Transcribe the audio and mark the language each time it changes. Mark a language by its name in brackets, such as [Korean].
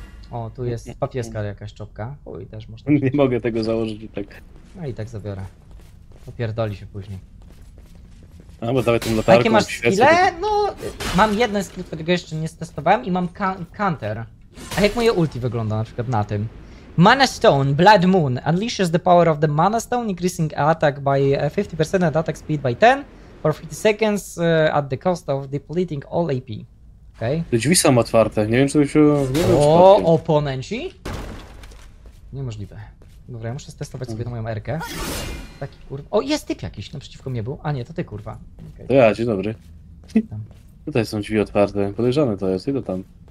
[Polish] O, tu jest papieska jakaś czopka. Oj, też można. Nie mogę tego założyć i tak. No i tak zabiorę. Popierdoli się później. No bo dawaj tym latarką. Jakie masz skille? No, mam jeden skill, którego jeszcze nie testowałem i mam counter. A jak moje ulti wygląda na przykład na tym? [English] Mana Stone, Blood Moon, unleashes the power of the Mana Stone, increasing attack by 50% and attack speed by 10 for 50 seconds at the cost of depleting all AP. Okay. [Polish] Te drzwi są otwarte, nie wiem, czy by się w ogóle o, oponenci? Niemożliwe. Dobra, ja muszę testować sobie moją R-kę. Taki kurwa... O, jest typ jakiś, naprzeciwko mnie był. A nie, to ty kurwa. Okay. To ja, dzień dobry. Tam. Tutaj są drzwi otwarte, podejrzane to jest, idę tam.